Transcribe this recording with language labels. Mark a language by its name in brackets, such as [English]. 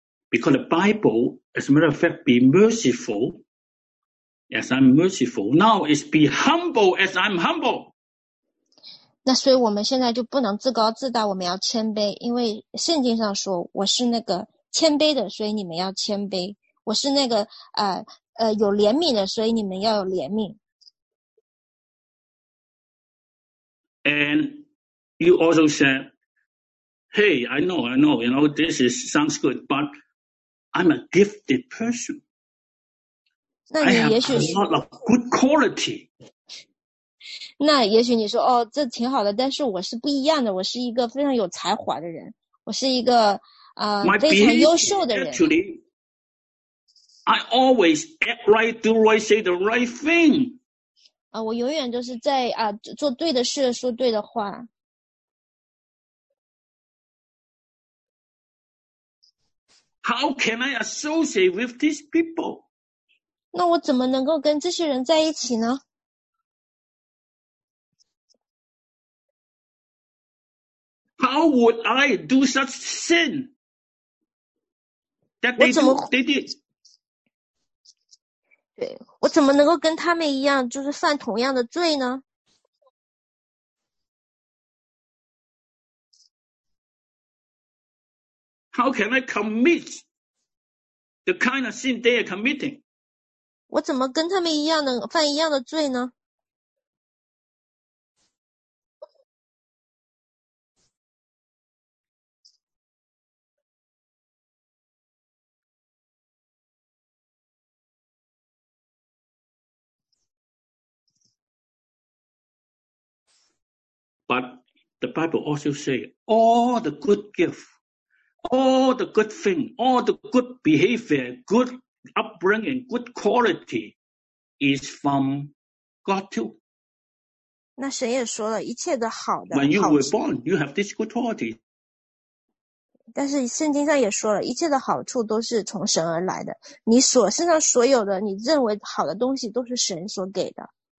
[English] Because the Bible, as a matter of fact, be merciful. As I'm merciful, now is be humble as I'm humble. [Chinese] 那所以我们现在就不能自高自大，我们要谦卑，因为圣经上说我是那个谦卑的，所以你们要谦卑。我是那个有怜悯的，所以你们要有怜悯。 [English] And you also said, "Hey, I know, you know, this is sounds good, but I'm a gifted person." [Chinese] 那你也许 [English] I have a lot of good quality. [Chinese] 那也许你说哦，这挺好的，但是我是不一样的，我是一个非常有才华的人，我是一个非常优秀的人。 [English] Actually, I always act right, do right, say the right thing. [Chinese] 我永远就是在做对的事，说对的话。 [English] How can I associate with these people? [Chinese] 那我怎么能够跟这些人在一起呢？ [English] How would I do such sin that they did? [Chinese] 对，我怎么能够跟他们一样，就是犯同样的罪呢？ [English] How can I commit the kind of sin they are committing? [Chinese] 我怎么跟他们一样的犯一样的罪呢？ [English] But the Bible also say all the good gift, all the good thing, all the good behavior, goodupbringing, good quality is from God too. [Chinese] 那神也说了一切的好的 [English] When you were born, you have this good quality. [Chinese] 但是圣经上也说了一切的好处都是从神而来的你所身上所有的你认为好的东西都是神所给的。